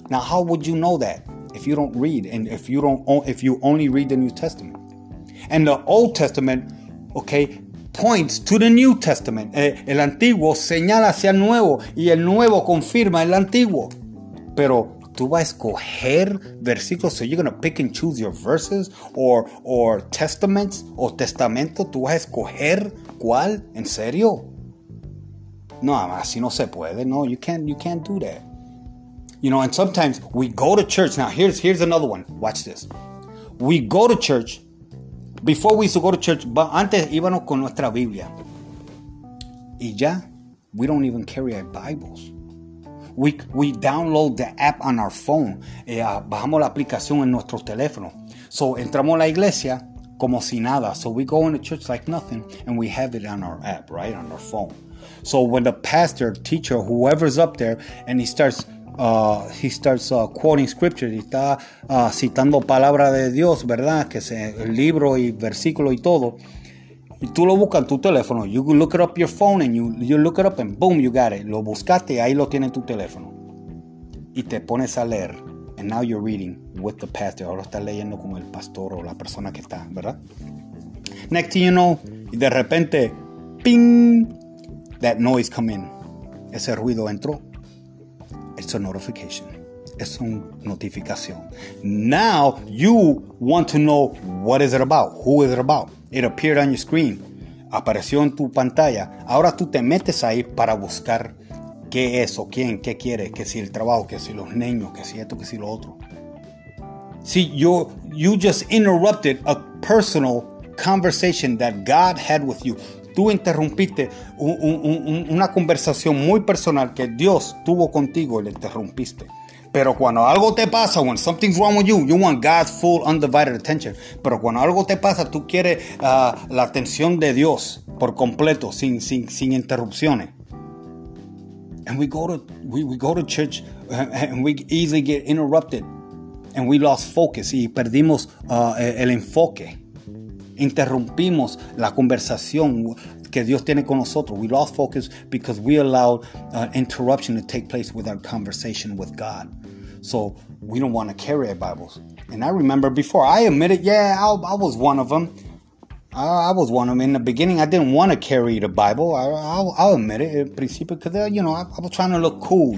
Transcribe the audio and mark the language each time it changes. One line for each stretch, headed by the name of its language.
English: Now, how would you know that if you don't read and if you only read the New Testament? And the Old Testament, okay, points to the New Testament.
Spanish: El Antiguo señala hacia el Nuevo y el Nuevo confirma el Antiguo. Pero tú vas a escoger versículos,
English: so you're going to pick and choose your verses or testaments
Spanish: o testamento. ¿Tú vas a escoger cuál? ¿En serio? No, así no se puede.
English: No, you can't do that. You know, and sometimes we go to church. Now, here's another one. Watch this. We go to church. Before we used to go to church, but
Spanish: antes íbamos con nuestra Biblia. Y ya,
English: we don't even carry our Bibles. We download the app on our phone.
Spanish: Bajamos la aplicación en nuestro teléfono. So, entramos a la iglesia como si nada.
English: So, we go into church like nothing. And we have it on our app, right? On our phone. So, when the pastor, teacher, whoever's up there, and he starts quoting scripture.
Spanish: Y está citando palabra de Dios, ¿verdad? Que es el libro y versículo y todo. Y tú lo buscas en tu teléfono.
English: You look it up your phone and you look it up and boom, you got it.
Spanish: Lo buscaste y ahí lo tienes en tu teléfono. Y te pones a leer.
English: And now you're reading with the pastor.
Spanish: Ahora estás leyendo con el pastor o la persona que está, ¿verdad?
English: Next thing you know,
Spanish: y de repente,
English: ping, that noise come in.
Spanish: Ese ruido entró.
English: It's a notification.
Spanish: Es una notificación.
English: Now you want to know what is it about. Who is it about? It appeared on your screen.
Spanish: Apareció en tu pantalla. Ahora tú te metes ahí para buscar qué es o quién, qué quiere, qué si el trabajo, qué si los niños, qué si esto, qué si lo otro.
English: See, you just interrupted a personal conversation that God had with you.
Spanish: Tú interrumpiste una conversación muy personal que Dios tuvo contigo y le interrumpiste. Pero cuando algo te pasa,
English: when something's wrong with you, you want God's full undivided attention.
Spanish: Pero cuando algo te pasa, tú quieres la atención de Dios por completo, sin interrupciones.
English: And we go to church and we easily get interrupted and we lost focus.
Spanish: Y perdimos el enfoque. Interrumpimos la conversación que Dios tiene con nosotros.
English: We lost focus because we allowed interruption to take place with our conversation with God. So we don't want to carry our Bibles. And I remember before, I admit it, yeah, I was one of them. I was one of them. In the beginning, I didn't want to carry the Bible. I'll admit it
Spanish: in principio,
English: because, you know, I was trying to look cool.